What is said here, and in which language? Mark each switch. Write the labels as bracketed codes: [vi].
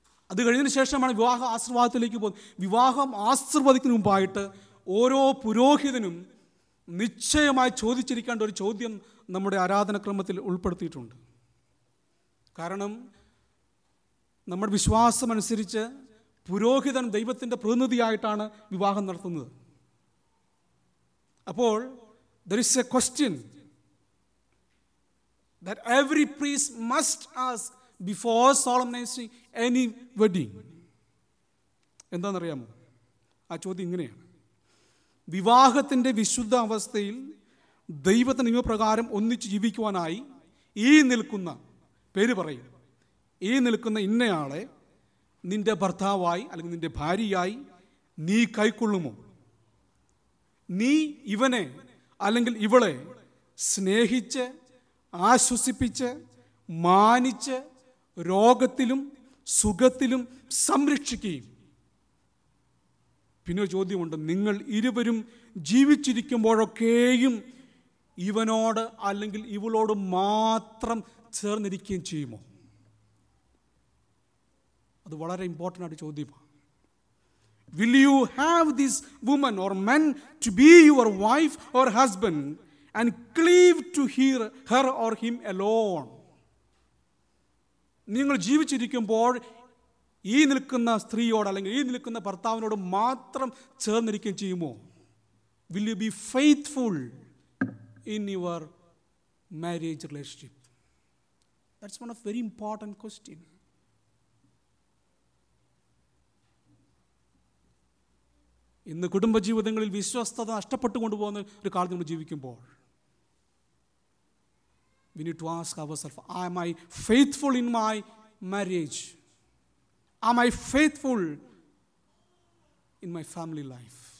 [ml] അത് കഴിഞ്ഞതിന് ശേഷമാണ് വിവാഹ ആശീർവാദത്തിലേക്ക് പോകുന്നത്. വിവാഹം ആശീർവദിക്കുന്ന മുമ്പായിട്ട് ഓരോ പുരോഹിതനും നിശ്ചയമായി ചോദിച്ചിരിക്കേണ്ട ഒരു ചോദ്യം നമ്മുടെ ആരാധനക്രമത്തിൽ ഉൾപ്പെടുത്തിയിട്ടുണ്ട്. കാരണം നമ്മുടെ വിശ്വാസമനുസരിച്ച് പുരോഹിതൻ ദൈവത്തിൻ്റെ പ്രതിനിധിയായിട്ടാണ് വിവാഹം നടത്തുന്നത്. അപ്പോൾ [en] there is a question that every priest must ask before solemnizing any wedding. [ml] എന്താണെന്നറിയാമോ? ആ ചോദ്യം ഇങ്ങനെയാണ്: വിവാഹത്തിൻ്റെ വിശുദ്ധ അവസ്ഥയിൽ ദൈവത്തെ നിയമപ്രകാരം ഒന്നിച്ച് ജീവിക്കുവാനായി ഈ നിൽക്കുന്ന പേര് പറയും, ഈ നിൽക്കുന്ന ഇന്നയാളെ നിൻ്റെ ഭർത്താവായി അല്ലെങ്കിൽ നിൻ്റെ ഭാര്യയായി നീ കൈക്കൊള്ളുമോ? നീ ഇവനെ അല്ലെങ്കിൽ ഇവളെ സ്നേഹിച്ച് ആശ്വസിപ്പിച്ച് മാനിച്ച് രോഗത്തിലും സുഖത്തിലും സംരക്ഷിക്കുകയും, പിന്നെ ചോദ്യമുണ്ട്, നിങ്ങൾ ഇരുവരും ജീവിച്ചിരിക്കുമ്പോഴൊക്കെയും ഇവനോട് അല്ലെങ്കിൽ ഇവളോട് മാത്രം ചേർന്നിരിക്കുകയും ചെയ്യുമോ? അത് വളരെ ഇമ്പോർട്ടൻ്റ് ആയിട്ട് ചോദ്യമാണ്. [en] Will you have this woman or man to be your wife or husband and cleave to her or him alone? [ml] നിങ്ങൾ ജീവിച്ചിരിക്കുമ്പോൾ ഈ നിൽക്കുന്ന സ്ത്രീയോട് അല്ലെങ്കിൽ ഈ നിൽക്കുന്ന ഭർത്താവിനോട് മാത്രം ചേർന്നിരിക്കുകയും ചെയ്യുമോ? [en] Will you be faithful in your marriage relationship? That's one of very important question. [ml] ഇന്ന് കുടുംബജീവിതങ്ങളിൽ വിശ്വസ്തത നഷ്ടപ്പെട്ടു കൊണ്ടുപോകുന്ന ഒരു കാലത്ത് നമ്മൾ ജീവിക്കുമ്പോൾ [en] We need to ask our self, I am I faithful in my marriage? I am I faithful in my family life?